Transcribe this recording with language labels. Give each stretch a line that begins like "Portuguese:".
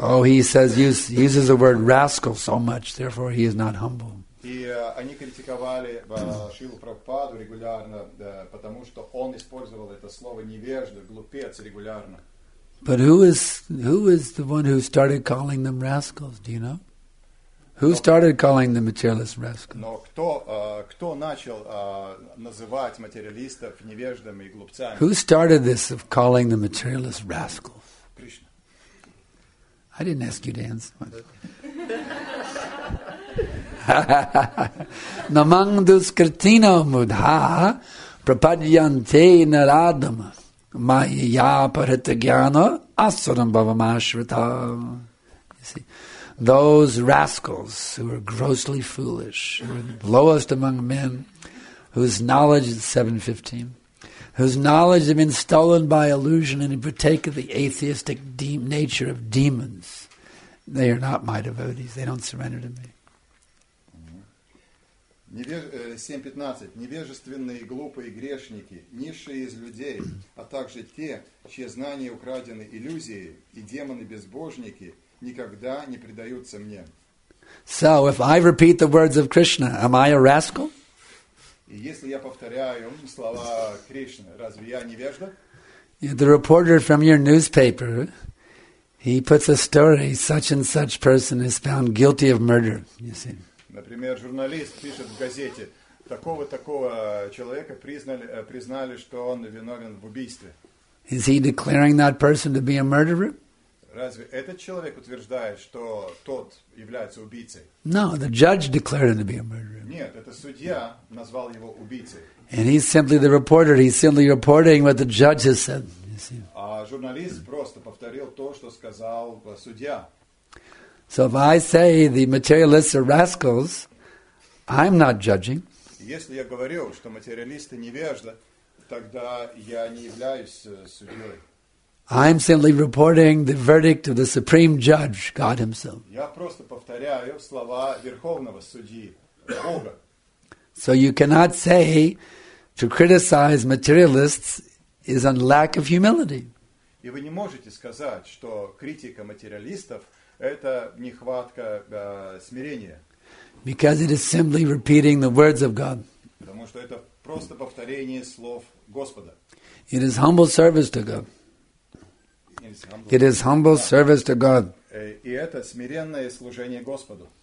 English: Oh, he says uses the word rascal so much, therefore he is not humble.
Russian: И они критиковали Шилу Прабхупаду регулярно, потому что он использовал это слово невежда, глупец регулярно.
English: But who is the one who started calling them rascals? Do you know? Who started calling the materialists rascals?
Russian: Но кто начал называть материалистов невеждами и глупцами?
English: Who started this of calling the materialists rascals? Krishna. I didn't ask you to answer.
Sanskrit: Namang duskritino mudha prapadyante naradama maya paritagyana asuram bhavamashrita.
English: You see, those rascals who are grossly foolish, who are the lowest among men, whose knowledge is 7:15, whose knowledge has been stolen by illusion and partake of the atheistic nature of demons, they are not my devotees. They don't surrender to me. 7.15.
Russian: Невежественные, глупые грешники, низшие из людей, а также те, чьи знания украдены иллюзией, и демоны-безбожники никогда не предаются мне.
English: So, if I repeat the words of Krishna, am I a rascal?
Russian: И если я повторяю слова Кришны, разве я невежда?
English: The reporter from your newspaper, he puts a story, such and such person is found guilty of murder, you see.
Russian: Например, журналист пишет в газете, такого-такого человека признали, что он виновен в убийстве.
English: Is he declaring that person to be a murderer?
Russian: Разве этот человек утверждает, что тот является убийцей?
English: No, the judge declared him to be a murderer.
Russian: Нет, это судья назвал его убийцей.
English: And he's simply the reporter. He's simply reporting what the judge has said.
Russian: А журналист просто повторил то, что сказал судья.
English: So if I say the materialists are rascals, I'm not judging.
Russian: Если я говорю, что материалисты невежда, тогда я не являюсь судьей.
English: I'm simply reporting the verdict of the supreme judge, God himself.
Russian: Я просто повторяю слова верховного судьи, Бога.
English: So you cannot say to criticize materialists is a lack of humility.
Russian: И вы не можете сказать, что критика материалистов это нехватка смирения.
English: Because it is simply repeating the words of God.
Russian: Потому что это просто повторение слов Господа.
English: It is humble service to God. It is humble service to God.
Russian: И это смиренное служение Господу.